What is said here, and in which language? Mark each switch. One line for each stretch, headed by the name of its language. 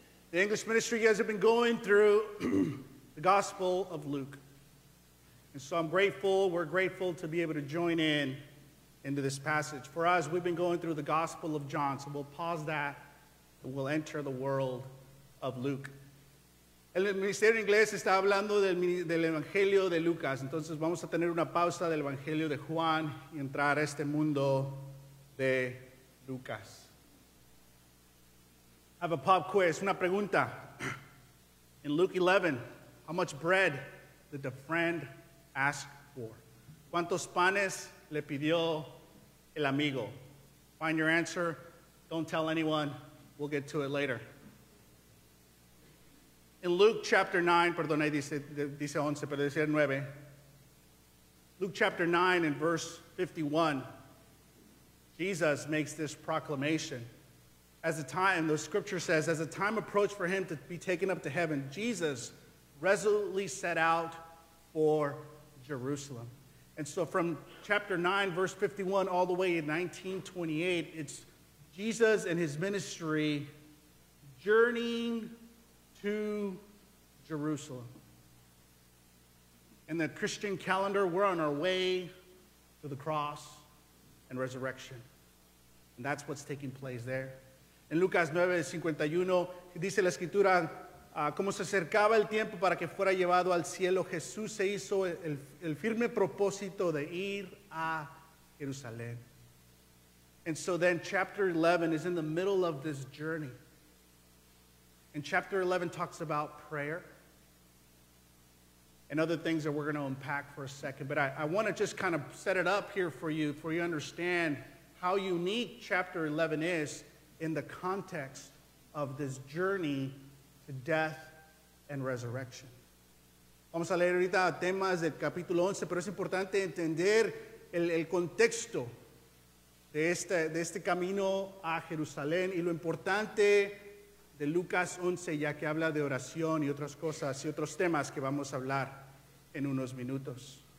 English: The English ministry has been going through the Gospel of Luke. And so I'm grateful, we're grateful to be able to join in into this passage. For us, we've been going through the Gospel of John, so we'll pause that and we'll enter the world of Luke.
Spanish: El Ministerio de Inglés está hablando del Evangelio de Lucas. Entonces vamos a tener una pausa del Evangelio de Juan y entrar a este mundo de Lucas.
English: I have a pop quiz,
Spanish: una pregunta.
English: In Luke 11, how much bread did the friend ask for?
Spanish: ¿Cuántos panes le pidió el amigo?
English: Find your answer. Don't tell anyone. We'll get to it later. In Luke chapter 9,
Spanish: perdón, ahí dice 11, pero dice 9.
English: Luke chapter 9 and verse 51, Jesus makes this proclamation. As the time, the scripture says, as the time approached for him to be taken up to heaven, Jesus resolutely set out for Jerusalem. And so from chapter 9, verse 51, all the way in 1928, it's Jesus and his ministry journeying to Jerusalem. In the Christian calendar, we're on our way to the cross and resurrection. And that's what's taking place there.
Spanish: En Lucas 9:51, dice la escritura, como se acercaba el tiempo para que fuera llevado al cielo, Jesús se hizo el firme propósito de ir a Jerusalén.
English: And so then chapter 11 is in the middle of this journey. And chapter 11 talks about prayer and other things that we're going to unpack for a second. But I want to just kind of set it up here for you understand how unique chapter 11 is in the context of this journey to death and resurrection.
Spanish: Vamos a leer ahorita temas del capítulo 11, pero es importante entender el contexto de este camino a Jerusalén y lo importante de Lucas 11, ya que habla de oración y otras cosas y otros temas que vamos a hablar en unos minutos.